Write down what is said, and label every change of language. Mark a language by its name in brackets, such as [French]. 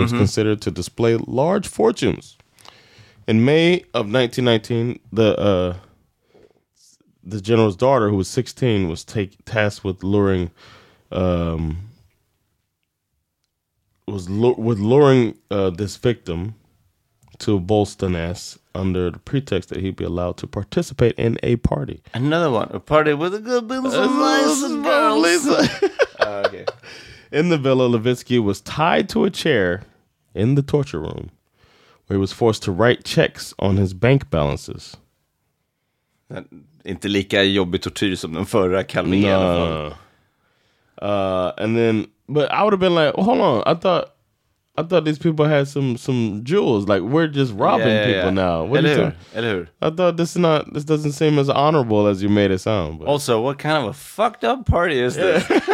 [English] was considered to display large fortunes. In May of 1919, the general's daughter, who was 16, was tasked with luring this victim to Bolstoness under the pretext that he'd be allowed to participate in a party. Another one, a party with a good business of nice and girls. In the villa, Levitsky was tied to a chair in the torture room, where he was forced to write checks on his bank balances. [Swedish] Inte lika jobbig tortyr som den förra kalmen. [English] No. And then, but I would have been like, hold on, I thought these people had some jewels. Like, we're just robbing people now. [Swedish] Eller hur? [English] I thought this doesn't seem as honorable as you made it sound. But. Also, what kind of a fucked up party is this?